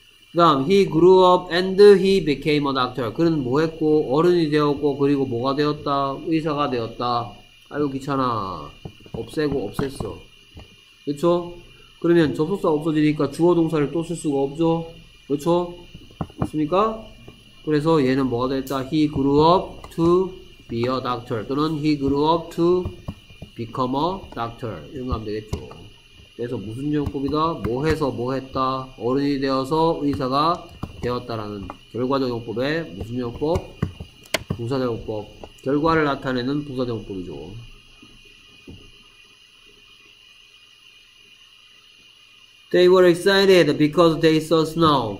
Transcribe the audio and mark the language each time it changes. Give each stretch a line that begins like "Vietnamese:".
Korean: 그 다음
English: he grew up and he became a doctor.
Korean: 그는 뭐 했고 어른이 되었고 그리고 뭐가 되었다? 의사가 되었다. 아이고 귀찮아. 없애고 없앴어. 그쵸? 그러면 접속사 없어지니까 주어 동사를 또 쓸 수가 없죠. 그쵸? 맞습니까? 그래서 얘는 뭐가 됐다?
English: He grew up to be a doctor
Korean: 또는
English: he grew up to become a doctor
Korean: 이런 거 하면 되겠죠. 그래서 무슨 용법이다? 뭐 해서 뭐 했다? 어른이 되어서 의사가 되었다라는 결과적 용법에 무슨 용법? 부사적 용법. 결과를 나타내는 부사적 용법이죠.
English: 'They were excited because they saw snow.'